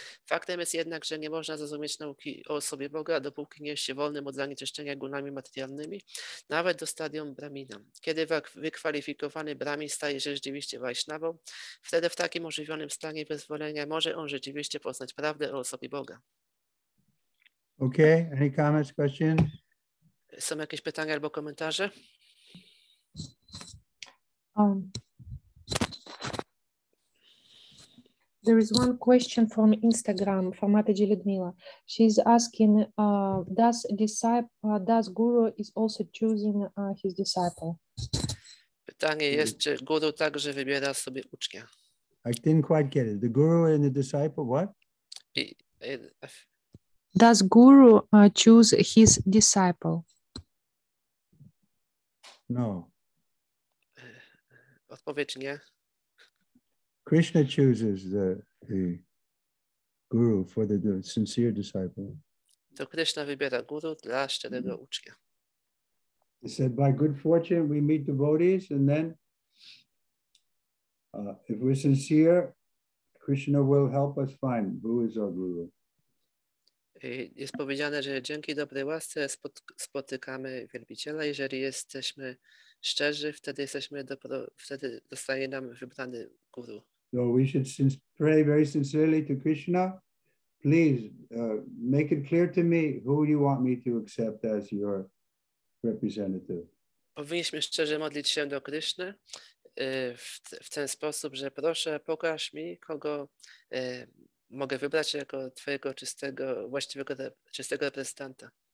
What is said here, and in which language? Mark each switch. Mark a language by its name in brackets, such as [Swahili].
[Polish] Faktem jest jednak, że nie można zrozumieć nauki o osobie Boga, dopóki nie jest się wolnym od zanieczyszczenia gunami materialnymi, nawet do stadium bramina. Kiedy wykwalifikowany bramin staje się rzeczywiście Vaishnavą, wtedy w takim ożywionym stanie wyzwolenia może on rzeczywiście poznać prawdę o osobie Boga. [English] Okay, any comments, questions? [Polish] Są jakieś pytania albo komentarze? [English] There is one question from Instagram from Mataji Ludmila. She's asking, does Guru is also choosing his disciple? [Polish] Pytanie jest, czy Guru także wybiera sobie ucznia? [English] I didn't quite get it. The Guru and the disciple, what? Does Guru choose his disciple? No. [Polish] Odpowiedź nie. [English] Krishna chooses the guru for the sincere disciple. [Polish] To Krishna wybiera guru dla szczerego ucznia. [English] He said, by good fortune we meet devotees, and then if we're sincere, Krishna will help us find who is our guru. [Polish] Jest powiedziane, że dzięki dobrej łasce spotykamy wielbiciela, jeżeli jesteśmy szczerzy, wtedy dostaje nam wybrany guru. [English] So we should pray very sincerely to Krishna. Please make it clear to me who you want me to accept as your representative. [Polish] Powinniśmy szczerze modlić się do Krishny w ten sposób, że proszę, pokaż mi, kogo mogę wybrać jako twojego czystego, właściwego, czystego reprezentanta.